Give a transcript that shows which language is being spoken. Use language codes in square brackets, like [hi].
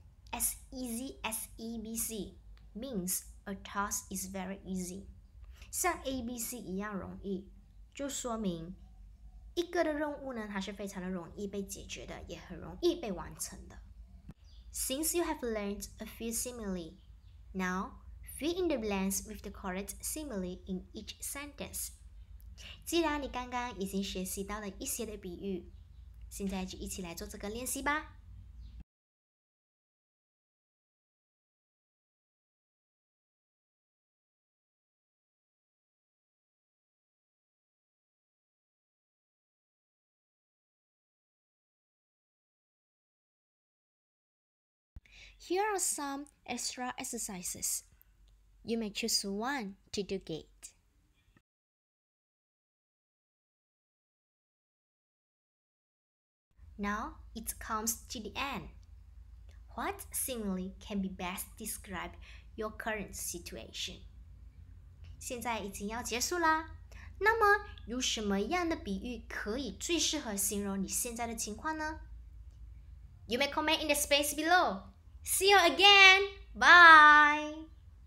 [en] As easy as ABC means a task is very easy. [zh] 像 ABC 一样容易，就说明一个的任务呢，它是非常的容易被解决的，也很容易被完成的。 [en] Since you have learned a few simile, now fill in the blanks with the correct simile in each sentence. [zh] 既然你刚刚已经学习到了一些的比喻，现在就一起来做这个练习吧。 [en] Here are some extra exercises. You may choose one to do it. Now it comes to the end. What simile can be best describe your current situation? [zh] 现在已经要结束啦。那么有什么样的比喻可以最适合形容你现在的情况呢？ [en] You may comment in the space below.See you again! Bye!